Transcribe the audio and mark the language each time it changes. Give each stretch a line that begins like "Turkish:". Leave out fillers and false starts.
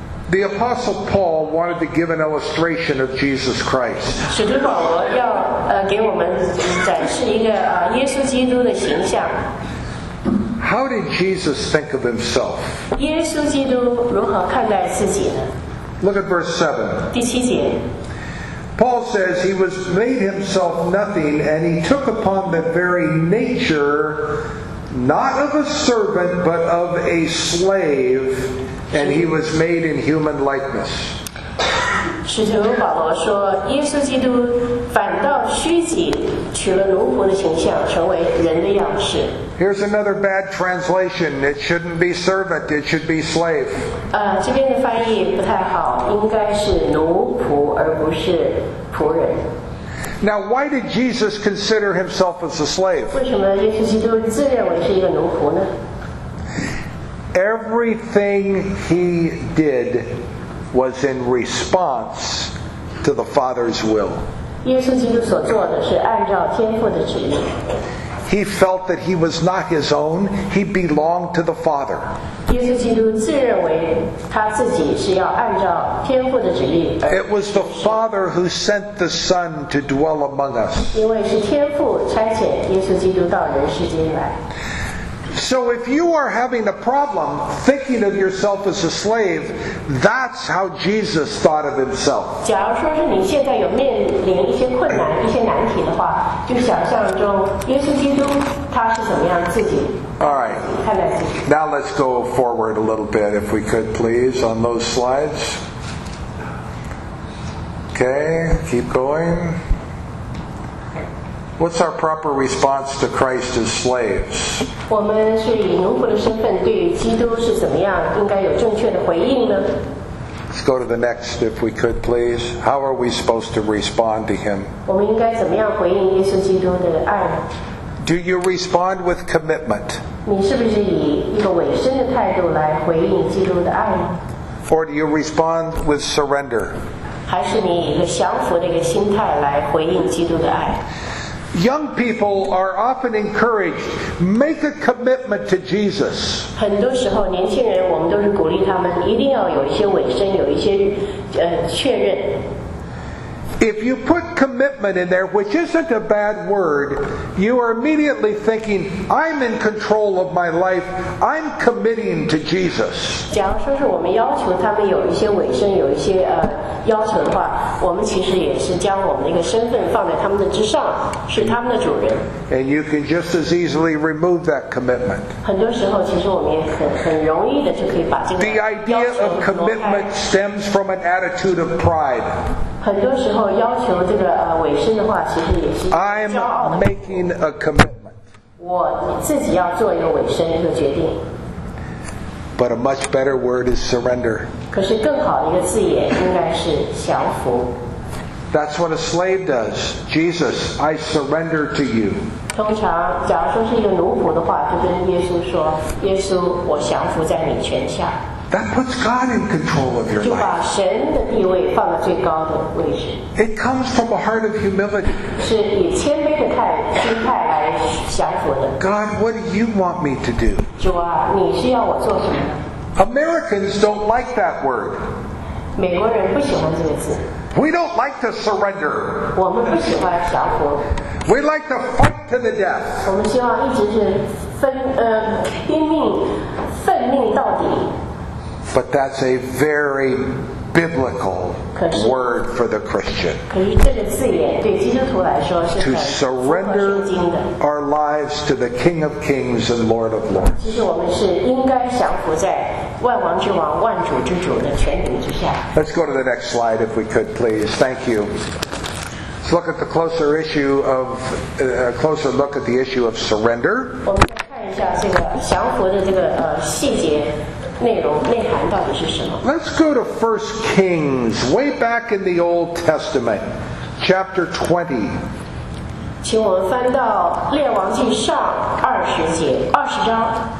English: The Apostle Paul wanted to give an illustration of Jesus Christ.
Chinese: 使徒保罗要给我们展示一个耶稣基督的形象。
English: How did Jesus think of himself?
Chinese: 耶稣基督如何看待自己呢？
English: Look at verse 7.
Chinese: 第七节。
English: Paul says he was made himself nothing, and he took upon the very nature, not of a servant, but of a slave. And he was made in human likeness.
Chinese: 使徒保罗说，耶稣基督反倒虚己，取了奴仆的形象，成为人的样式。
English: Here's another bad translation. It shouldn't be servant. It should be slave.
Chinese: 这边的翻译不太好，应该是奴仆而不是仆人。
English: Now, why did Jesus consider himself as a slave?
Chinese: 为什么耶稣基督自认为是一个奴仆呢？
English: Everything he did was in response to the Father's will.
Chinese: 耶稣基督所做的是按照天父的旨意。
English: He felt that he was not his own; he belonged to the Father.
Chinese: 耶稣基督自认为他自己是要按照天父的旨意。
English: It was the Father who sent the Son to dwell among us.
Chinese: 因为是天父差遣耶稣基督到人世间来。
English: So if you are having a problem thinking of yourself as a slave, that's how Jesus thought of himself.
Chinese: 假如说是你现在有面临一些困难、一些难题的话，就想象中耶稣基督他是怎么样自己。
English: All right.
Chinese: 看待自己。
English: Now let's go forward a little bit, if we could, please, on those slides. Okay, keep going. What's our proper response to Christ as slaves?
Chinese: 我们是以奴仆的身份对于基督是怎么样应该有正确的回应呢？
English: Let's go to the next, if we could, please. How are we supposed to respond to him?
Chinese: 我们应该怎么样回应耶稣基督的爱？
English: Do you respond with commitment?
Chinese: 你是不是以一个委身的态度来回应基督的爱？
English: Or do you respond with surrender?
Chinese: 还是你以一个降服的一个心态来回应基督的爱？
English: Young people are often encouraged, make a commitment to Jesus.
Chinese: 很多时候年轻人我们都是鼓励他们一定要有一些委身，有一些确认。
English: If you put commitment in there, which isn't a bad word, you are immediately thinking, I'm in control of my life, I'm committing to Jesus.
Chinese: 假如说是我们要求他们有一些委身，有一些要求的话，我们其实也是将我们的一个身份放在他们的之上，是他们的主人。
English: And you can just as easily remove that commitment.
Chinese: 很多时候其实我们也很容易的就可以把这个
English: The idea of commitment stems from an attitude of pride.
Chinese: 很多时候要求这个委身的话其实也是骄傲的
English: I'm making a commitment
Chinese: 我自己要做一个委身一个决定
English: But a much better word is surrender
Chinese: 可是更好的一个字也应该是降服
English: That's what a slave does Jesus, I surrender to you
Chinese: 通常假如说是一个奴仆的话就跟耶稣说耶稣我降服在你权下
English: That puts God in control of your life.
Chinese: 就把神的地位放在最高的位置。
English: It comes from a heart of humility.
Chinese: 是以谦卑的心态来降服的。
English: God, what do you want me to do?
Chinese: 主啊，你是要我做什么？
English: Americans don't like that word.
Chinese: 美国人不喜欢这个字。
English: We don't like to surrender.
Chinese: 我们不喜欢降服。
English: We like to fight to the death.
Chinese: 我们希望一直是拼命，奋命到底。
English: But that's a very biblical word for the Christian.
Chinese: 可是这个字眼对基督徒来说是很
English: To surrender our lives to the King of Kings and Lord of Lords.
Chinese: 其实我们是应该降服在万王之王、万主之主的权柄之下。
English: Let's go to the next slide if we could, please. Thank you. Let's look at the closer issue of, closer look at the issue of surrender.
Chinese: 我们再看一下这个降服的这个细节。
English: Let's go to 1 Kings, way back in the Old Testament, chapter 20.
Chinese: 请我们翻到《列王记上》二十章。